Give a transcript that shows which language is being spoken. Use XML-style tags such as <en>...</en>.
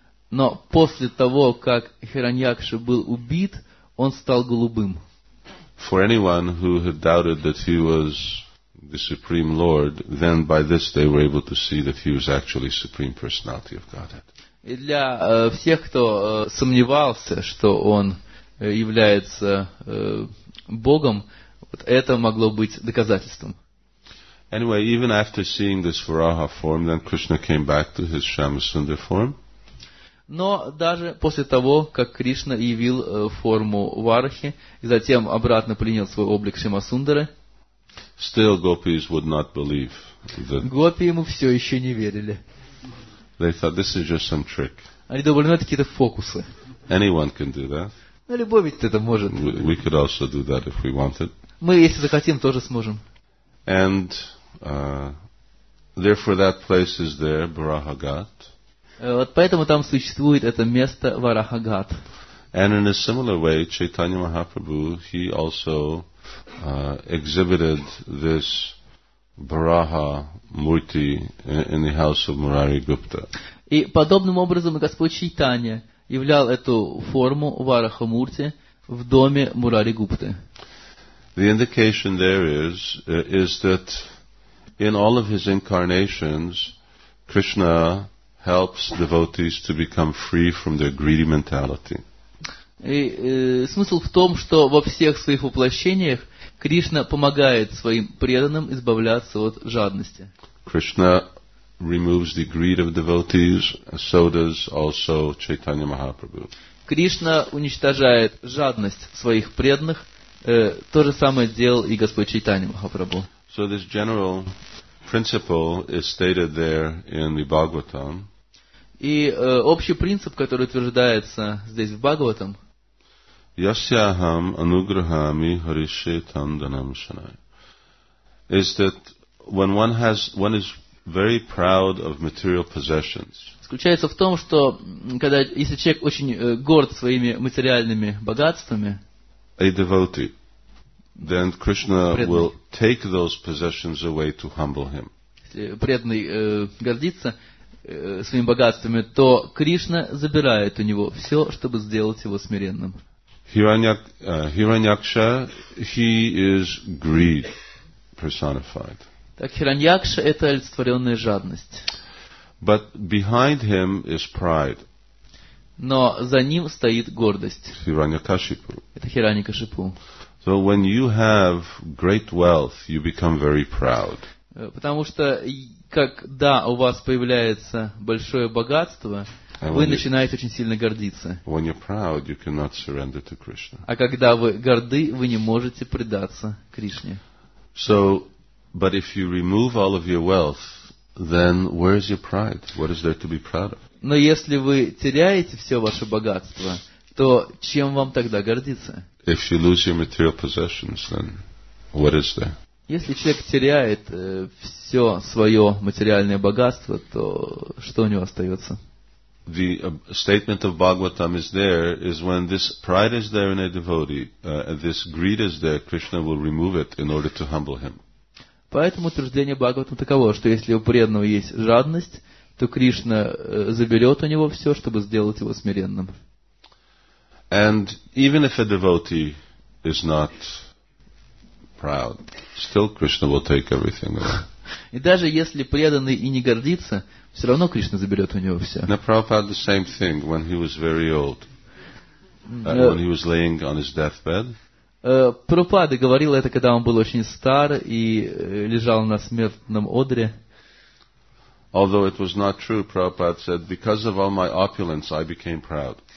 <ru>Но после того, как Хираньякша был убит, он стал голубым.</ru> <en>For anyone who had doubted that he was the Supreme Lord, then by this they were able to see that he was actually Supreme Personality of Godhead.</en> <ru>И для всех, кто сомневался, что он является Богом, вот это могло быть доказательством.</ru> <en>Anyway, even after seeing this Varaha form, then Krishna came back to his Shyamasundara form.</en> <ru>Но даже после того, как Кришна явил форму Варахи и затем обратно принял свой облик Шимасундары,</ru> <en>still gopis would not believe that.</en> <ru>Гопи ему все еще не верили.</ru> <en>They thought this is just some trick.</en> <ru>Они думали, ну это какие-то фокусы.</ru> <en>Anyone can do that.</en> <ru>Ну любой ведь это может.</ru> <en>We could also do that if we wanted.</en> <ru>Мы, если захотим, тоже сможем.</ru> <en>And therefore that place is there, Varahagat.</en> <ru>Вот поэтому там существует это место Варахагат.</ru> <en>And in a similar way, Chaitanya Mahaprabhu, he also exhibited this Baraha Murti in the house of Murari Gupta.</en> <ru>И подобным образом Господь Чайтанья являл эту форму Вараха Мурти в доме Мурари Гупты.</ru> <en>The indication there is that in all of his incarnations, Krishna helps devotees to become free from their greedy mentality.</en> <ru>И смысл в том, что во всех своих воплощениях Кришна помогает своим преданным избавляться от жадности.</ru> <en>Krishna removes the greed of devotees, so does also Chaitanya Mahaprabhu.</en> <ru>Кришна уничтожает жадность своих преданных, то же самое делал и Господь Чайтанья Махапрабху.</ru> <en>So this general principle is stated there in the Bhagavatam.</en> <ru>И общий принцип, который утверждается здесь в Бхагаватам.</ru> <sa>Yasyaham anugrahami harishetam dhanamshanai.</sa> <en>Is that when one is very proud of material possessions.</en> <ru>Заключается в том, что когда если человек очень горд своими материальными богатствами,</ru> <en>a devotee, then Krishna will take those possessions away to humble him.</en> <ru>Если преданный гордится своими богатствами, то Кришна забирает у него все, чтобы сделать его смиренным.</ru> <en>Hiranyaksha, he is greed personified.</en> <ru>Так Хираньякша — это олицетворенная жадность.</ru> <en>But behind him is pride.</en> <ru>Но за ним стоит гордость. Хираньякашипу. Это Хираньякашипу.</ru> <en>So when you have great wealth, you become very proud.</en> <ru>Потому что когда у вас появляется большое богатство, вы начинаете очень сильно гордиться.</ru> <en>When you're proud, you cannot surrender to Krishna.</en> <ru>А когда вы горды, вы не можете предаться Кришне.</ru> <en>So but if you remove all of your wealth, then where is your pride? What is there to be proud of?</en> <ru>Но если вы теряете все ваше богатство, то чем вам тогда гордиться?</ru> <en>If you lose your material possessions, then what is there?</en> <ru>Если человек теряет все свое материальное богатство, то что у него остается?</ru> <en>The statement of Bhagavatam is there is when this pride is there in a devotee, this greed is there, Krishna will remove it in order to humble him.</en> <ru>Поэтому утверждение Бхагаватам таково, что если у преданного есть жадность, то Кришна заберет у него все, чтобы сделать его смиренным.</ru> <en>And even if a devotee is not proud, still Krishna will take everything.</en> <ru>И даже если преданный и не гордится, все равно Кришна заберет у него все.</ru> <en>Now Prabhupada the same thing when he was very old, when he was laying on his deathbed.</en> <ru>Прабхупада говорил это, когда он был очень стар и лежал на смертном одре.</ru> <en>Although it was not true, Prabhupada said, because of all my opulence, I became proud.</en>